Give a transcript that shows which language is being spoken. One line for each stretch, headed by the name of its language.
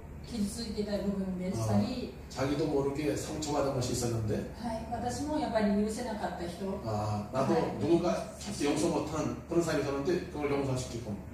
Japanese: 傷ついてた部分でしたり
Korean: 자기도 모르게 상처받은 것이 있었는데
Japanese: 私もやっぱり許せなかった人
Korean: 나도 누군가 절대 용서 못한 그런 사람이 있었는데 그걸 용서시키고